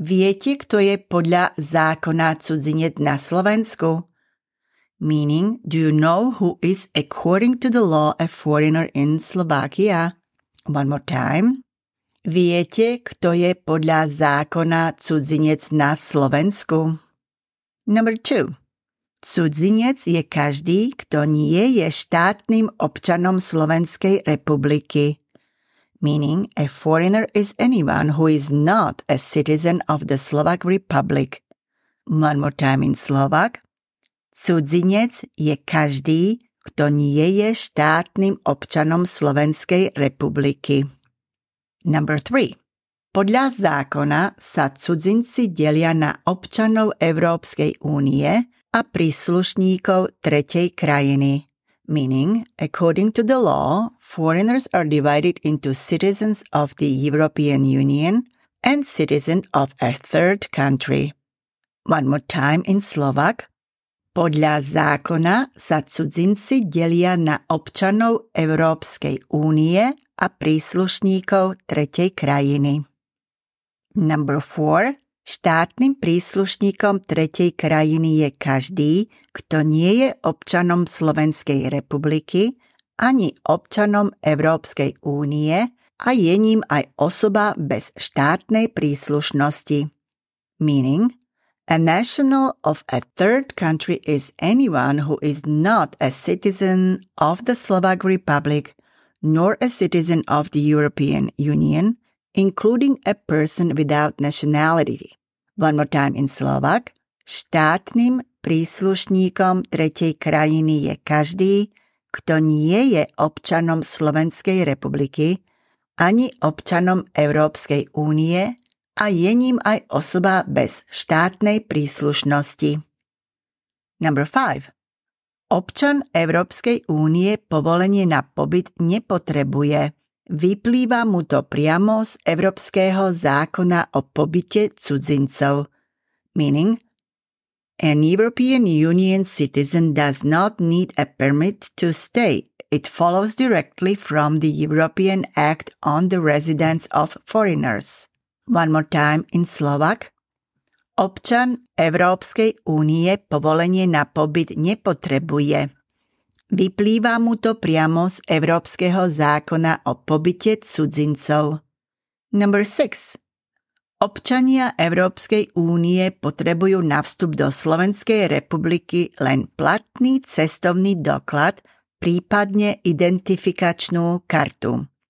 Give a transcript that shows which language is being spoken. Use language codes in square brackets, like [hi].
[sk] Viete, kto je podľa zákona cudzinec na Slovensku? [en] Meaning, do you know who is according to the law a foreigner in Slovakia? One more time. [sk] Viete, kto je podľa zákona cudzinec na Slovensku? [en] Number 2. [sk] Cudzinec je každý, kto nie je štátnym občanom Slovenskej republiky. [en] Meaning, a foreigner is anyone who is not a citizen of the Slovak Republic. One more time in Slovak. [sk] Cudzinec je každý, kto nie je štátnym občanom Slovenskej republiky. [en] Number 3. [sk] Podľa zákona sa cudzinci delia na občanov Európskej únie a príslušníkov tretej krajiny. [en] Meaning, according to the law, foreigners are divided into citizens of the European Union and citizen of a third country. One more time in Slovak. [sk] Podľa zákona sa cudzinci delia na občanov Európskej únie a príslušníkov tretej krajiny. [en] Number 4. [sk] Štátnym príslušníkom tretej krajiny je každý, kto nie je občanom Slovenskej republiky ani občanom Európskej únie a je ním aj osoba bez štátnej príslušnosti. [en] Meaning, a national of a third country is anyone who is not a citizen of the Slovak Republic nor a citizen of the European Union, including a person without nationality. One more time in Slovak. [sk] Štátnym príslušníkom tretej krajiny je každý, kto nie je občanom Slovenskej republiky, ani občanom Európskej únie a je ním aj osoba bez štátnej príslušnosti. [en] Number 5. [sk] Občan Európskej únie povolenie na pobyt nepotrebuje. Vyplýva mu to priamo z Európskeho zákona o pobyte cudzincov. [en] Meaning, an European Union citizen does not need a permit to stay. It follows directly from the European Act on the Residence of Foreigners. One more time in Slovak. [sk] Občan Európskej únie povolenie na pobyt nepotrebuje. Vyplýva mu to priamo z Európskeho zákona o pobyte cudzincov. [en] Number 6. [sk] Občania Európskej únie potrebujú na vstup do Slovenskej republiky len platný cestovný doklad, prípadne identifikačnú kartu.